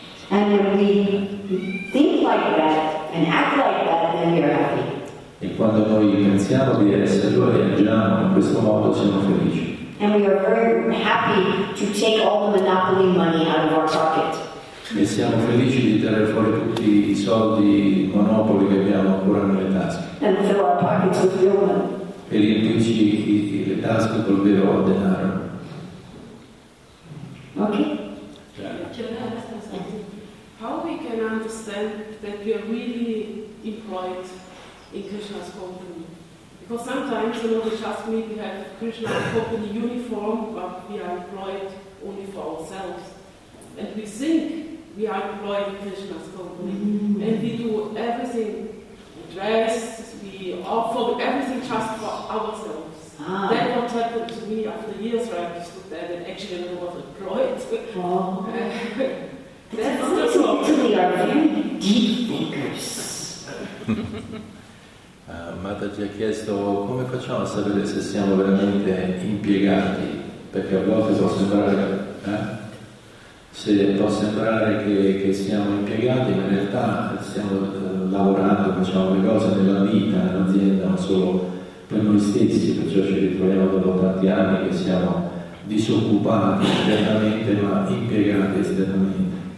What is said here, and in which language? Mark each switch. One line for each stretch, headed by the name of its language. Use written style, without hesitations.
English: And when we think like that and act like that, then we are happy.
Italian: E quando noi pensiamo di esserlo e agiamo in questo modo, siamo felici.
English: And we are very happy to take all the monopoly money out of our pocket.
Italian: E siamo felici di tirare fuori tutti i soldi monopoli che abbiamo ancora nelle tasche.
English: And fill our pockets with real money.
Italian: E riempirci le tasche col vero denaro.
English: Okay. How we can understand that we are really employed in Krishna's company? Because sometimes, you know, they just maybe have Krishna's company uniform, but we are employed only for ourselves. And we think we are employed in Krishna's company. Mm-hmm. And we do everything, we dress, we offer everything just for ourselves. Ah. That what happened to me after years where I understood that and actually I was employed. Oh. That's not what we are very deep thinkers.
Italian: Mataji ha chiesto come facciamo a sapere se siamo veramente impiegati, perché a volte può sembrare se può sembrare che siamo impiegati, ma in realtà stiamo lavorando, facciamo le cose nella vita, nell'azienda, ma solo per noi stessi, perciò ci ritroviamo dopo tanti anni che siamo disoccupati esternamente ma impiegati esternamente.